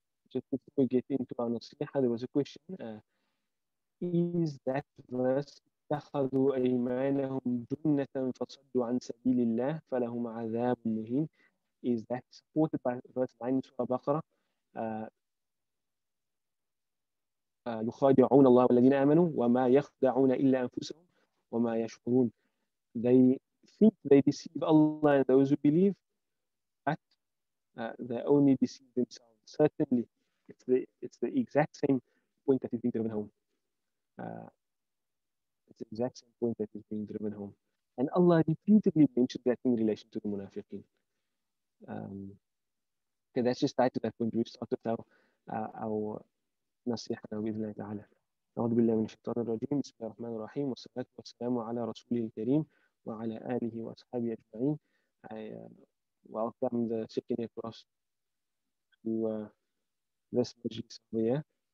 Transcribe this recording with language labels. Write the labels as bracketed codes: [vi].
[en] just before we get into our نصيحة, there was a question. Is that verse [ar] اتخذوا أيمانهم جنة فصدوا عن سبيل الله فلهم عذاب مهين. [en] Is that supported by verse 9 in Surah Baqarah? [ar] يخادعون الله والذين آمنوا وما يخدعون إلا أنفسهم وما يشعرون. [en] They think they deceive Allah and those who believe, but they only deceive themselves. Certainly, it's the exact same point that is being driven home. It's the exact same point that is being driven home. And Allah repeatedly mentioned that in relation to the munafiqeen. Okay, that's just tied to that point. We started our نصيحة [ar] بإذن الله تعالى. أعوذ بالله من الشيطان الرجيم. بسم الله الرحمن الرحيم, والصلاة والسلام على رسوله الكريم وعلى آله وأصحابه أجمعين. [en] I welcome the second year class to this majlis here.